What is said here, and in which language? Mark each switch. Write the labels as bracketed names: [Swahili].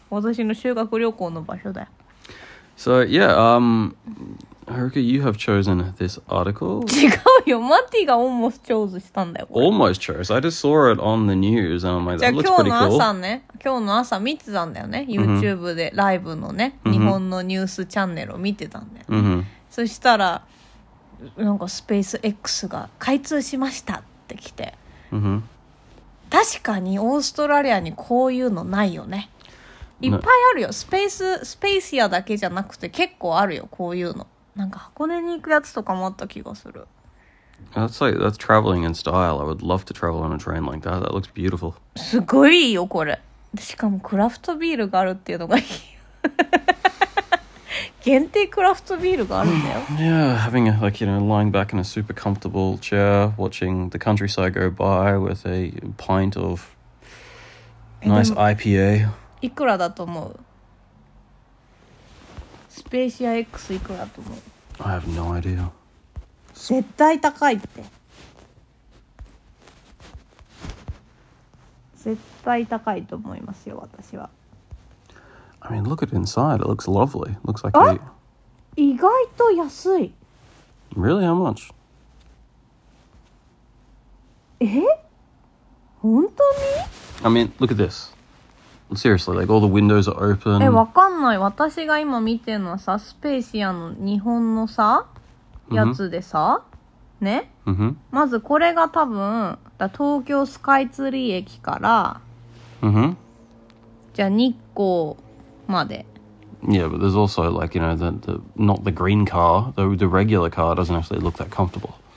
[Japanese] 私の修学旅行の場所だよ。 [English] So, yeah, Haruka, you have chosen this article. [Japanese] 違うよ。マティが [English] almost chose [Japanese] したんだよ。 [English] Almost chose. I just saw it on the news. And I'm like, that looks pretty cool. [Japanese] じゃあ今日の朝ね。今日の朝見てたんだよね。 YouTube でライブのね。Mm-hmm. 日本のニュースチャンネルを見てたんだよ。 Mm-hmm. そしたら、なんかスペース X が開通しましたって来て。 Mm-hmm. 確かにオーストラリアにこういうのないよね。いっぱいあるよ。スペーシアだけじゃなくて結構あるよ、こういうの。なんか箱根に行くやつとかもあった気がする。 [English] That's like, that's traveling in style. I would love to travel on a train like that. That looks beautiful. [Japanese] すごいよ、これ。しかもクラフトビールがあるっていうのがいい。限定クラフトビールがあるんだよ。 [English] Yeah, having a, like, you know, lying back in a super comfortable chair, watching the countryside go by with a pint of nice IPA. [Japanese] いくらだと思う？スペーシア X いくらだと思う？ [English] I have no idea. [Japanese] 絶対高いって。絶対高いと思いますよ、私は。 [English] I mean, look at inside. It looks lovely. Looks like a... [Japanese] 意外と安い。 [English] Really? How much? [Japanese] え？本当に？ [English] I mean, look at this. Seriously, like all the windows are open. [Japanese] え、わかんない。私が今見てるのはさ、スペーシアの日本のさ、やつでさ、mm-hmm. ね。 Mm-hmm. まずこれが多分、だ東京スカイツリー駅から、 mm-hmm. じゃあ日光まで。 [English] Yeah, but there's also like, you know, the not the green car, the regular car doesn't actually look that comfortable.